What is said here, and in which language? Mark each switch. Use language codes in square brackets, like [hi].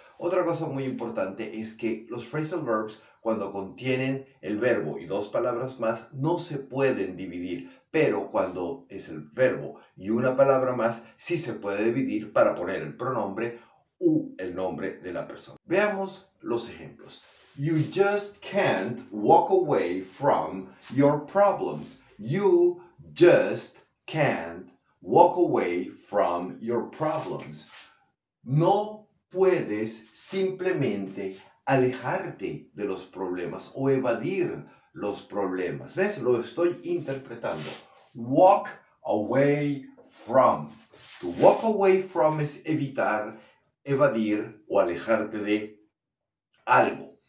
[es] Otra cosa muy importante es que los phrasal verbs, cuando contienen el verbo y dos palabras más, no se pueden dividir. Pero cuando es el verbo y una palabra más, sí se puede dividir para poner el pronombre u el nombre de la persona. Veamos los ejemplos. [en] You just can't walk away from your problems. You just can't walk away from your problems. [es] No puedes simplemente alejarte de los problemas o evadir los problemas. ¿Ves? Lo estoy interpretando. [en] Walk away from. [es] To walk away from es evitar, evadir o alejarte de algo.